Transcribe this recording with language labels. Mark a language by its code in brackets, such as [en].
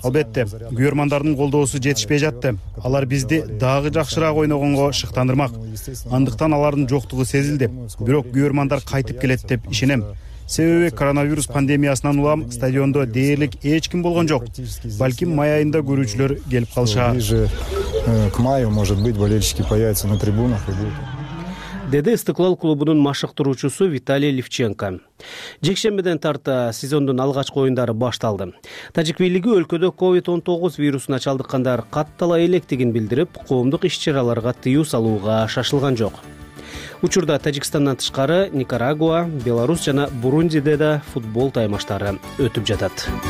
[ky] Албетте, күйөрмандардын колдоосу жетишпей жатты. Алар бизди дагы жакшыраак ойногонго шыктандырмак. Андыктан алардын жоктугу сезилди. Бирок күйөрмандар кайтып келет деп ишенем. Себеби коронавирус пандемиясынан улам стадиондо дээрлик эч ким болгон жок. Балким май айында көрүүчүлөр келип калышат. [ru] к маю, может быть, болельщики появятся на трибунах и будут. [ky] Деди Истыклал клубунун машыктыруучусу Виталий Левченко. Жекшембиден тарта сезондун алгачкы оюндары башталды. Тажик бийлиги өлкөдө COVID-19 вирусуна чалдыккандар каттала электигин билдирип, коомдук иш-чараларга тыюу салууга шашылган жок. Учурда Тажикстандан тышкары Никарагуа, Беларусь жана Бурундиде да футбол таймаштары өтүп жатат.